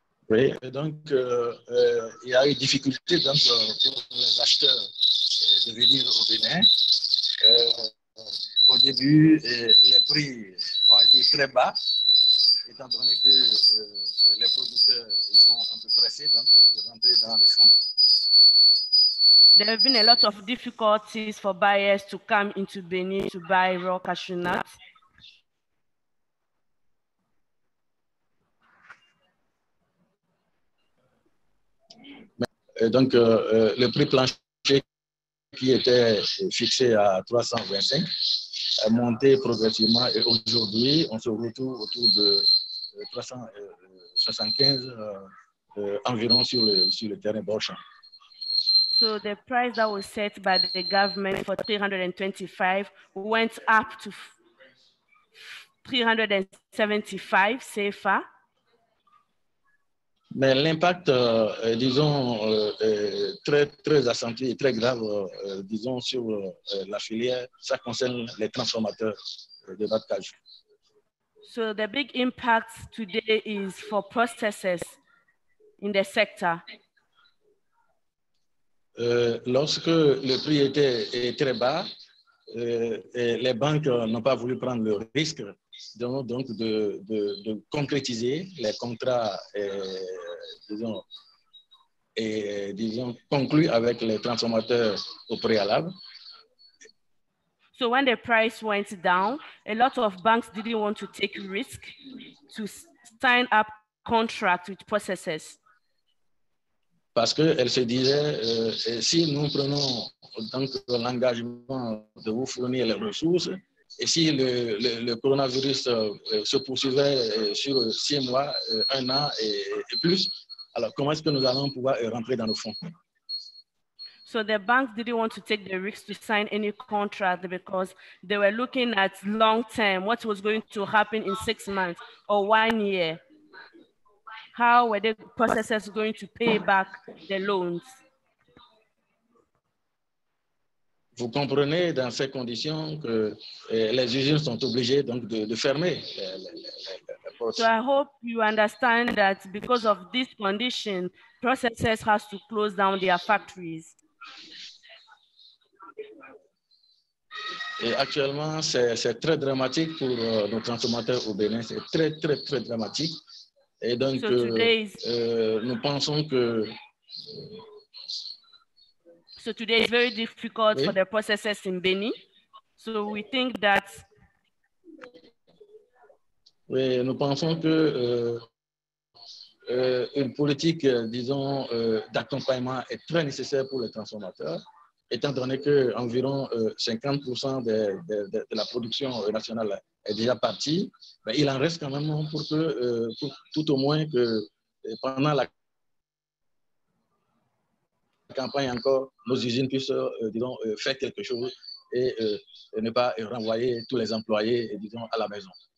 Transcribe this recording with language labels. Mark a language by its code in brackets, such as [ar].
[fr] oui, et donc il y a eu difficulté donc, pour les acheteurs de venir au Bénin. Au début, les prix ont été très bas, étant donné que les producteurs ils sont un peu pressés donc, de rentrer dans les fonds. [en] There have been a lot of difficulties for buyers to come into Benin to buy raw cashew nuts. [fr] Donc, le prix plancher qui était fixé à 325 est monté progressivement et aujourd'hui, on se retrouve autour de 375 environ sur le terrain Beauchamp. [en] So the price that was set by the government for 325 went up to 375 CFA. [fr] Mais l'impact, disons, très très accentué et très grave, disons, sur la filière, ça concerne les transformateurs de bas de cage. [en] So the big impact today is for processes in the sector. [fr] Lorsque le prix était très bas, les banques n'ont pas voulu prendre le risque donc de concrétiser les contrats, disons conclus avec les transformateurs au préalable. [en] So when the price went down, a lot of banks didn't want to take risk to sign up contract with processors. [fr] Parce qu'elle se disait, si nous prenons donc l'engagement de vous fournir les ressources, et si le coronavirus se poursuivait sur 6 mois, un an et plus, alors comment est-ce que nous allons pouvoir rentrer dans le fonds? [en] So the banks didn't want to take the risk to sign any contract because they were looking at long term, what was going to happen in 6 months or 1 year. How were the processors going to pay back the loans? [fr] Vous comprenez dans ces conditions que les usines sont obligées donc de fermer. [en] So I hope you understand that because of this condition, processors has to close down their factories. [fr] Et actuellement, c'est très dramatique pour nos transformateurs au Bénin. C'est très, très, très dramatique. Et donc, [en] so today is, [fr] nous pensons que... [en] So today is very difficult for the processors in Beni. So we think that... [fr] Oui, nous pensons que une politique, disons, d'accompagnement est très nécessaire pour les transformateurs, étant donné qu'environ 50% de la production nationale est déjà partie, mais il en reste quand même pour que, pour, tout au moins que pendant la campagne encore, nos usines puissent, disons, faire quelque chose et ne pas renvoyer tous les employés, disons, à la maison.